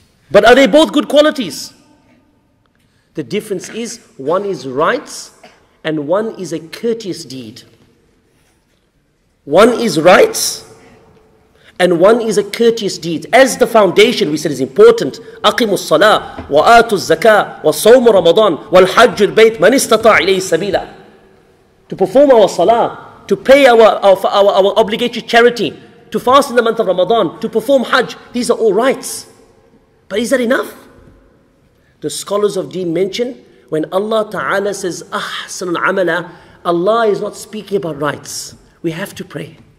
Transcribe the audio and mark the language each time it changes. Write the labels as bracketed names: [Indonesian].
[English] But are they both good qualities? The difference is one is rights and one is a courteous deed. One is rights and one is a courteous deed. As the foundation, we said, is important. [Arabic] أقم الصلاة وآت الزكاة وصوم رمضان والحج البيت من استطاع إليه سبيلا. [English] To perform our salah, to pay our obligatory charity, to fast in the month of Ramadan, to perform hajj, these are all rights. But is that enough? The scholars of deen mention, when Allah Ta'ala says, أحسن العملة, Allah is not speaking about rights. We have to pray.